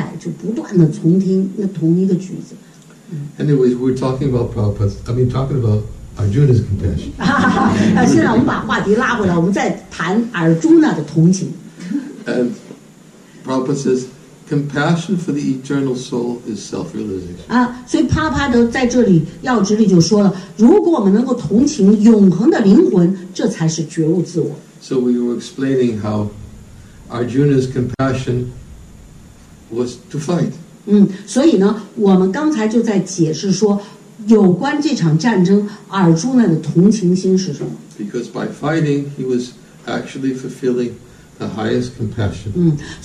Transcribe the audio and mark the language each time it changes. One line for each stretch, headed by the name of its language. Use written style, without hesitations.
Chinese: 所以刚才我是马里后，他是知道我脑子就开始转了。然后呢，我说确实是，如果有可能的话，虽然这是一个特别艰巨的、浩大的工程，但是也许就得做。但是我们的问题就是，我们不熟悉帕帕德的那个口音。然后他就说，当他得到帕帕德第一个讲课的时候，他一直不断的就是倒带，就不断的从听那同一个句子。
English: Anyways, we're talking about Prabhupada. I mean, talking about Arjuna's compassion.
Chinese: 现在我们把话题拉回来，我们再谈阿尔朱纳的同情。
English: And Prabhupada says, compassion for the eternal soul is self-realization.
Chinese: 所以帕帕德在这里要旨里就说了，如果我们能够同情永恒的灵魂，这才是觉悟自我。
English: So we were explaining how Arjuna's compassion was to fight.
Chinese: 所以呢，我们刚才就在解释说，有关这场战争，阿尔朱纳的同情心是什么？
English: Because by fighting, he was actually fulfilling the highest compassion.